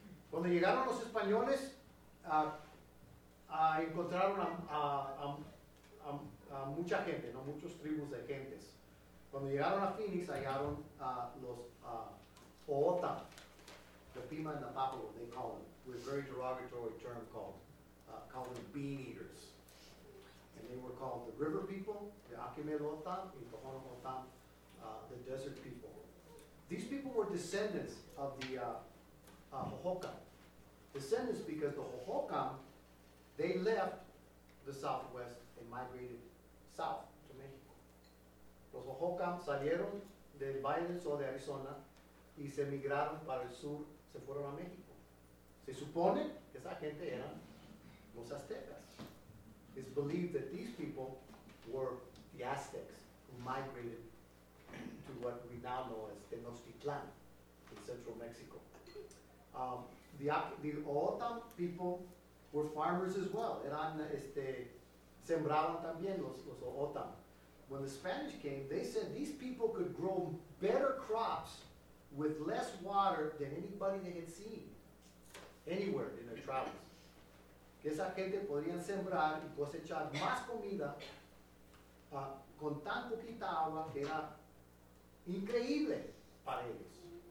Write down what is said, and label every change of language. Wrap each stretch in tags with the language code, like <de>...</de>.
<es>Cuando llegaron los españoles, encontraron a mucha gente, ¿no? Muchos tribus de gentes. Cuando llegaron a Phoenix, hallaron los O'odham,</es> <en>the Pima and the Papago, they call them, with a very derogatory term called, called them bean eaters. And they were called the river people, the Akimel O'odham, and the Tohono O'odham, the desert people. These people were descendants of the Hohokam. Descendants because the Hohokam, they left the Southwest and migrated south to Mexico.</en> <es>Los Hohokam salieron del Valle del Sol de Arizona y se emigraron para el sur, se fueron a México. Se supone que esa gente eran los Aztecas.</es> <en>It's believed that these people were the Aztecs who migrated to what we now know as Tenochtitlan in central Mexico. The O'odham people were farmers as well.</en> <es>Eran, sembraron también los O'odham.</es> <en>When the Spanish came, they said these people could grow better crops with less water than anybody they had seen anywhere in their travels.</en> <es>Que esa gente podrían sembrar y cosechar más comida con tan poquita agua que era increíble para ellos.</es>